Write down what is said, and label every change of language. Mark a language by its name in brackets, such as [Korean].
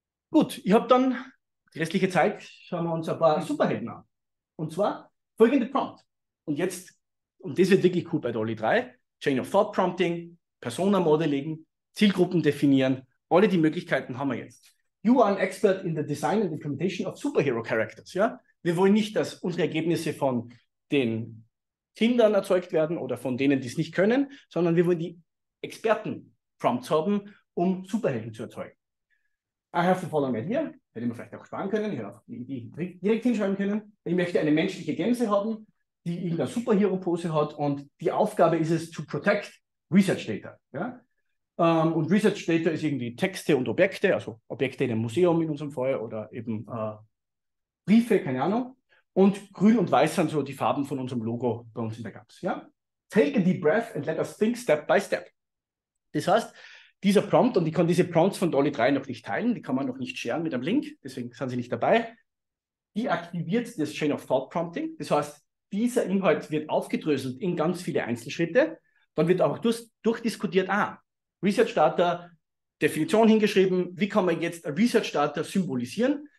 [German] Gut, ich habe dann die restliche Zeit, schauen wir uns ein paar Superhelden an. Und zwar folgende Prompt. Und jetzt, und das wird wirklich cool bei Dolly 3, Chain of Thought Prompting, Persona Modeling, Zielgruppen definieren, alle die Möglichkeiten haben wir jetzt. [English] You are an expert in the design and implementation of superhero characters. [German] Ja? Wir wollen nicht, dass unsere Ergebnisse von den Kindern erzeugt werden oder von denen, die es nicht können, sondern wir wollen die Experten-Prompts haben, um Superhelden zu erzeugen. [English] I have the following idea. [German] Hätte man vielleicht auch sparen können. Ich hätte auch direkt hinschreiben können. Ich möchte eine menschliche Gänse haben, die irgendeine Superhero-Pose hat und die Aufgabe ist es, [English] to protect Research Data. [German] Ja? Und Research Data ist irgendwie Texte und Objekte, also Objekte in einem Museum in unserem Fall oder eben Briefe, keine Ahnung. Und grün und weiß sind so die Farben von unserem Logo bei uns in der GAPS. Ja? [English] Take a deep breath and let us think step by step. [German] Das heißt, dieser Prompt, und ich kann diese Prompts von Dolly 3 noch nicht teilen, die kann man noch nicht sharen mit einem Link, deswegen sind sie nicht dabei. Die aktiviert das Chain of Thought Prompting. Das heißt, dieser Inhalt wird aufgedröselt in ganz viele Einzelschritte. Dann wird auch durchdiskutiert, Research Data, Definition hingeschrieben, wie kann man jetzt Research Data symbolisieren?